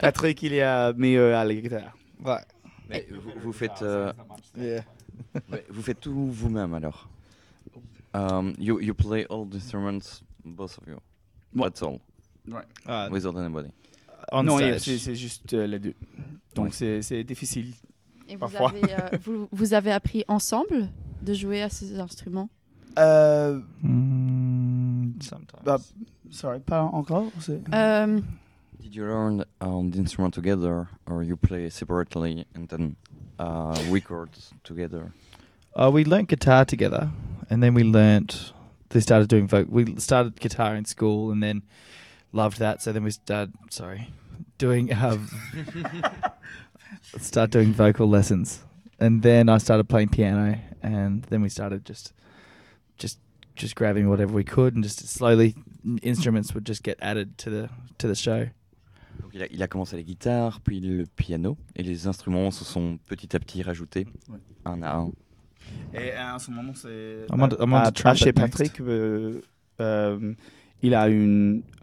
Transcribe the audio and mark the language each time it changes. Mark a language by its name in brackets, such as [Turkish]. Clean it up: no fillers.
[French] Patrick, il y a mieux à la guitare. Ouais. Mais vous faites, vous faites tout vous-même alors. [English] You play all the instruments, both of you. What? That's all. Right. Without anybody. [French] Non, c'est juste les deux. Donc ouais. c'est difficile. Et parfois. Vous avez appris ensemble de jouer à ces instruments? [English] Sometimes. Sorry, [French] pas encore. C'est... [English] Did you learn the instrument together, or you play separately and then record together? We learned guitar together, and then they started doing folk. We started guitar in school, and then loved that. So then we started, doing vocal lessons, and then I started playing piano, and then we started just grabbing whatever we could, and just slowly instruments would just get added to the show. [French] Donc il a commencé la guitare, puis le piano, et les instruments se sont petit à petit rajoutés, ouais. Un à un. Et à ce moment, chez Patrick, il a une